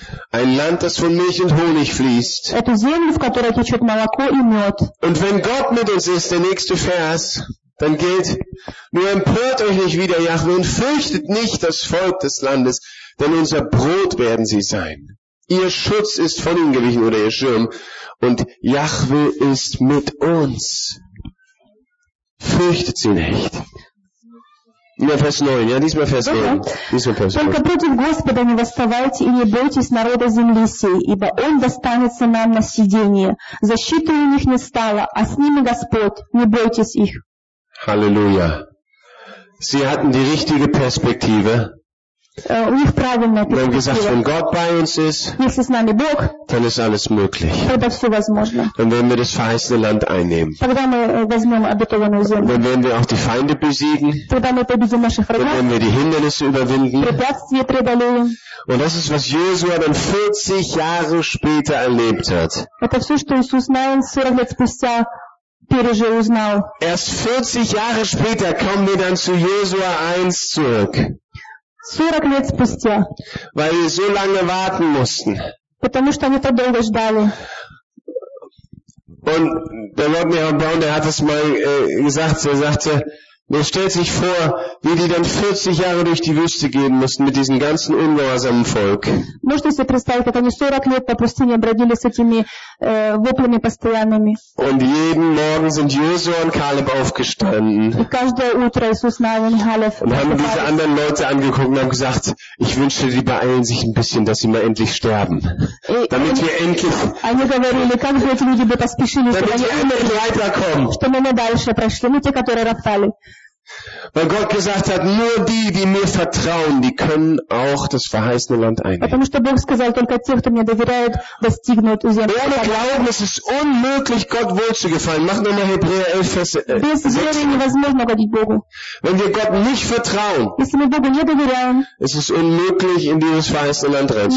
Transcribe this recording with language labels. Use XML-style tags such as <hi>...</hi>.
<de>Ein Land, das von Milch und Honig fließt.</de> <ru>Эту землю, в которой течет молоко и мед.</ru> <de>Und wenn Gott mit uns ist, der nächste Vers, dann gilt: Nur empört euch nicht wieder, Jahwe, und fürchtet nicht das Volk des Landes, denn unser Brot werden sie sein. Ihr Schutz ist von ihnen gewichen oder ihr Schirm, und Jahwe ist mit uns. Fürchtet sie nicht.</de> <ru>Только против Господа не восставайте и не бойтесь народа земли сей, ибо Он достанется нам на съедение. Защиты у них не стало, а с ними Господь, не бойтесь их. Halleluja.</ru> <de>Sie hatten die richtige Perspektive.</de> <ru>У них правильная перспектива.</ru> <de>Wenn gesagt, wenn Gott bei uns ist,</de> <ru>если с нами Бог,</ru> <de>dann ist alles möglich.</de> <ru>Тогда все возможно.</ru> <de>Dann werden wir das verheißene Land einnehmen.</de> <ru>Тогда мы возьмем обетованную землю.</ru> <de>Dann werden wir auch die Feinde besiegen.</de> <ru>Тогда мы победим наших врагов.</ru> <de>Dann werden wir die Hindernisse überwinden.</de> <ru>Препятствия преодолеем.</ru> <de>Und das ist, was Josua dann 40 Jahre später erlebt hat.</de> <ru>Это все, что Иисус Навин 40 лет спустя пережил, узнал.</ru> <de>Erst 40 Jahre später kommen wir dann zu Josua 1 zurück.</de> <ru>40 лет спустя.</ru> <de>Weil wir so lange warten mussten.</de> <ru>Потому что они так долго ждали.</ru> <de>Und der Lord Nehemiah, der hat es mal gesagt, er sagte, mir stellt sich vor, wie die dann 40 Jahre durch die Wüste gehen mussten mit diesem ganzen ungehorsamen Volk.</de> <ru>Можете себе представить, как они 40 лет по пустыне бродили с этими воплями постоянными.</ru> <de>Und jeden Morgen sind Josua und Kaleb aufgestanden.</de> <ru>И каждое утро Иисус Навин</ru> <de>und</de> <ru>Халев.</ru> <de>Und haben diese anderen Leute angeguckt und haben gesagt, ich wünsche, die beeilen sich ein bisschen, dass sie mal endlich sterben. Damit wir endlich...</de> <ru>Они говорили, как же эти люди бы поспешили, чтобы они дальше прошли, не те, которые роптали.</ru> <de>Weil Gott gesagt hat, nur die, die mir vertrauen, die können auch das verheißene Land einnehmen. Ohne Glauben ist es unmöglich, Gott wohlzugefallen. Mach nochmal Hebräer 11, Vers 6. Wenn wir Gott nicht vertrauen, ist es unmöglich, in dieses verheißene Land</de>